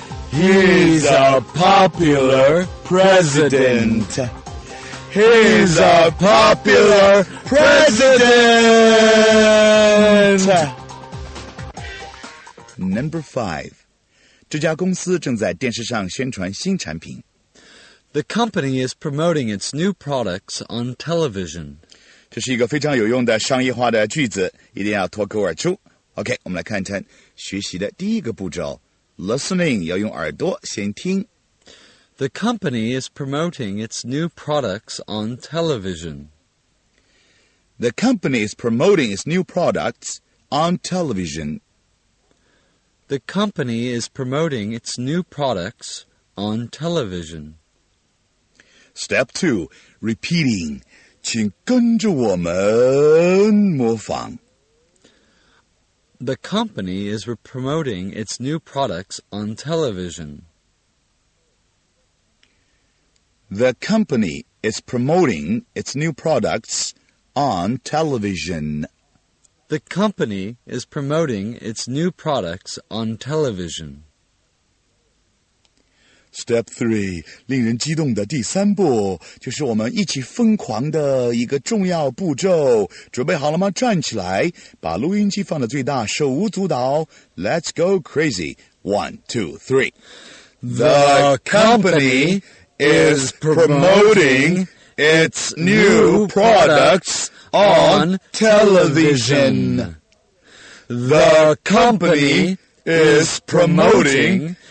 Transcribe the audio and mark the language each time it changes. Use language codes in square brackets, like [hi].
[en] He's a popular president. He's a popular president. Number 5. [zh] 这家公司正在电视上宣传新产品。 [en] The company is promoting its new products on television. [zh] 这是一个非常有用的商业化的句子，一定要脱口而出。 [en] OK, [zh] 我们来看看学习的第一个步骤。 [en] Listening [zh] 要用耳朵先听。 [en] The company is promoting its new products on television. The company is promoting its new products on television. The company is promoting its new products on television. Step 2, repeating. [zh] 请跟着我们模仿。 [en] The company is promoting its new products on television. The company is promoting its new products on television. The company is promoting its new products on television. Step 3, [zh] 令人激动的第三步，就是我们一起疯狂的一个重要步骤。准备好了吗？站起来，把录音机放得最大，手舞足蹈。 [en] Let's go crazy. One, two, three. The company is promoting its new products on television. The company is promoting...